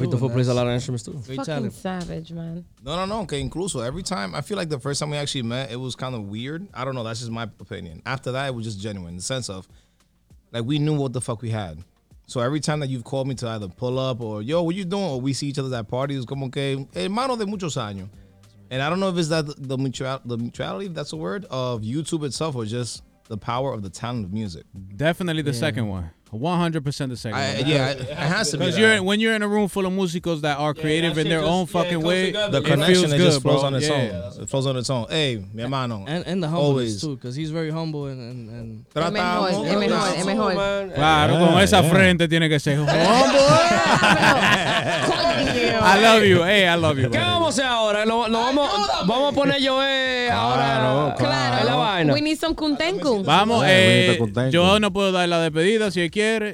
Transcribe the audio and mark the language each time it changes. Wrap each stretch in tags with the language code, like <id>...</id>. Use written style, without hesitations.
<en>Yeah, Pitufo plays a lot of instruments too. Fucking talent. Savage, man. No. Okay, incluso. Every time, I feel like the first time we actually met, it was kind of weird. I don't know. That's just my opinion. After that, it was just genuine. In the sense of, like, we knew what the fuck we had. So every time that you've called me to either pull up or, yo, what you doing? Or we see each other at parties,</en> <es>como que, hermano de muchos años.</es> <en>And I don't know if it's that the mutuality, if that's a word, of YouTube itself or just the power of the talent of music. Definitely the second one. 100% the second one. It has to be. Because when you're in a room full of musicos that are creative in their own fucking way, the connection just flows on its own. It flows on its own. Hey,</en> <es>mi hermano.</es> <en>And the humbleness too, because he's very humble and</en> <es>Es mejor. Claro, con esa frente tiene que ser humble.</es> <en>I love you. Hey, I love you.</en> <es>¿Qué vamos a hacer ahora? Vamos a poner yo ahora.</es> <en>Claro. We need some kuntenku.</en> <es>Vamos, yo no puedo dar la despedida si quiere.</es>